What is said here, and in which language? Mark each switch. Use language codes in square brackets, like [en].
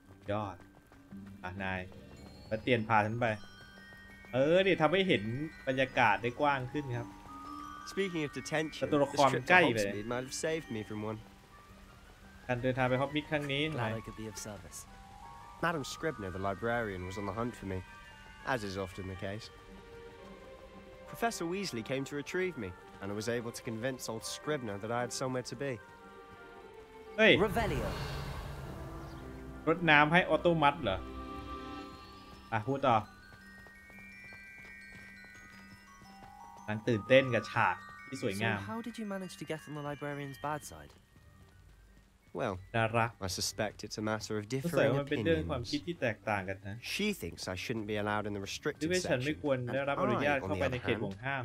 [th] ยอดอ่ะนายมาเตียนพาฉันไปเออนี่ทำให้เห็นบรรยากาศได้กว้างขึ้นครับ [en] Speaking of detention, this trip to Hogsmeade might have saved me from one. [th] การเดินทางไปฮอบบิทครั้งนี้นะ [en] I could be of service. Madam Scribner, the librarian, was on the hunt for me, as is often the case. Professor Weasley came to retrieve me, and I was able to convince old Scribner that I had somewhere to be. Hey. Revelio. [th] รดน้ำให้ออโตมัติเหรออ่ะพูดต่อมันตื่นเต้นกับฉากที่สวยงาม [en] How did you manage to get on the librarian's bad side? Well, I suspect it's a matter of differing opinions. [th] มันเป็นเรื่องความคิดที่แตกต่างกันนะ [en] She thinks I shouldn't be allowed in the restricted section. [th] ฉันไม่ควรได้รับอนุญาตเข้าไปในเขตห่วงห้าม